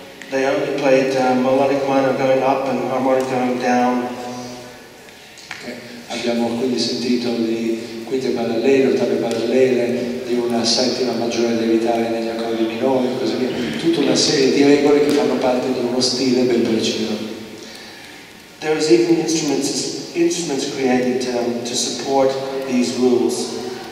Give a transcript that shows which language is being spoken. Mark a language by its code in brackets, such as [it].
[en] They only played melodic minor going up and harmonic going down. Okay. [it] Abbiamo quindi sentito di quinte parallele, ottave parallele, di una settima maggiore da evitare negli accordi minori, così via. Tutta una serie di regole che fanno parte di uno stile ben preciso. [en] There is even instruments created to support these rules.